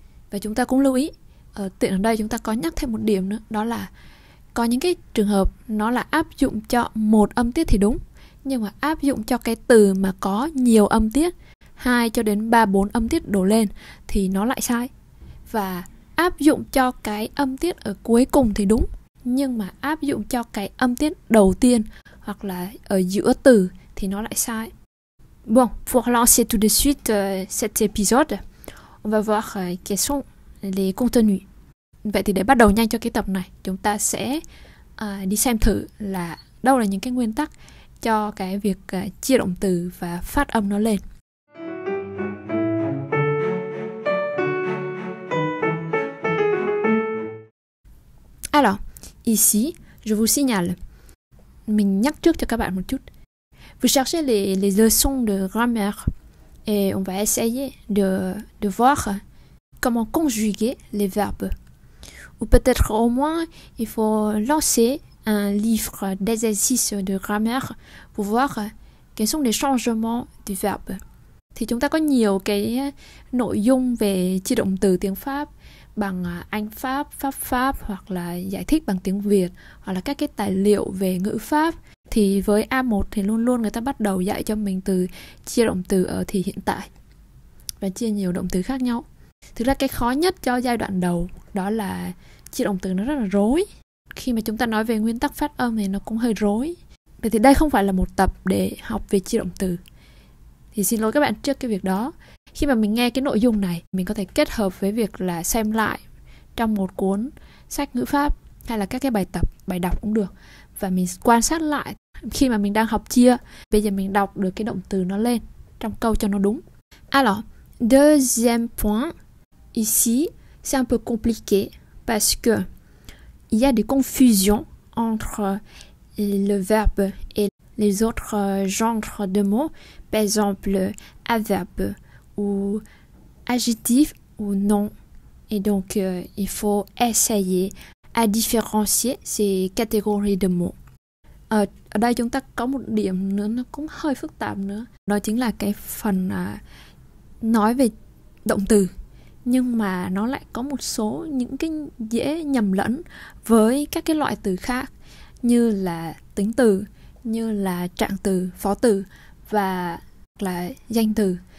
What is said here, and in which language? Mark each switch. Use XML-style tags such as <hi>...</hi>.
<vi>Và chúng ta cũng lưu ý, tiện ở đây chúng ta có nhắc thêm một điểm nữa, đó là có những cái trường hợp nó là áp dụng cho một âm tiết thì đúng, nhưng mà áp dụng cho cái từ mà có nhiều âm tiết, 2 cho đến 3, 4 âm tiết đổ lên thì nó lại sai. Và áp dụng cho cái âm tiết ở cuối cùng thì đúng, nhưng mà áp dụng cho cái âm tiết đầu tiên hoặc là ở giữa từ thì nó lại sai.</vi> <fr>Bon, pour lancer tout de suite cet épisode, on va voir quels sont les contenus.</fr> <vi>Vậy thì để bắt đầu nhanh cho cái tập này, chúng ta sẽ đi xem thử là đâu là những cái nguyên tắc cho cái việc chia động từ và phát âm nó lên.</vi> <fr>Alors, ici, je vous signale.</fr> <vi>Mình nhắc trước cho các bạn một chút.</vi> <fr>Vous cherchez les leçons de grammaire et on va essayer de voir comment conjuguer les verbes. Ou peut-être au moins, il faut lancer un livre d'exercices de grammaire pour voir quels sont les changements du verbe.</fr> <vi>Thì chúng ta có nhiều cái nội dung về chia động từ tiếng Pháp bằng Anh Pháp, Pháp Pháp, hoặc là giải thích bằng tiếng Việt, hoặc là các cái tài liệu về ngữ Pháp. Thì với A1 thì luôn luôn người ta bắt đầu dạy cho mình từ chia động từ ở thì hiện tại và chia nhiều động từ khác nhau. Thực ra cái khó nhất cho giai đoạn đầu đó là chia động từ nó rất là rối. Khi mà chúng ta nói về nguyên tắc phát âm thì nó cũng hơi rối. Vậy thì đây không phải là một tập để học về chia động từ. Thì xin lỗi các bạn trước cái việc đó. Khi mà mình nghe cái nội dung này, mình có thể kết hợp với việc là xem lại trong một cuốn sách ngữ pháp hay là các cái bài tập, bài đọc cũng được. Và mình quan sát lại khi mà mình đang học chia, bây giờ mình đọc được cái động từ nó lên trong câu cho nó đúng.</vi> <fr>Alors, deuxième point, ici, c'est un peu compliqué parce que il y a des confusions entre le verbe et les autres genres de mots, par exemple, adverbe ou adjectif ou nom. Et donc, il faut essayer à différencier ces catégories de mots.</fr> <vi>Ở đây chúng ta có một điểm nữa, nó cũng hơi phức tạp nữa. Đó chính là cái phần nói về động từ, nhưng mà nó lại có một số những cái dễ nhầm lẫn với các cái loại từ khác, như là tính từ, như là trạng từ, phó từ và là danh từ.</vi>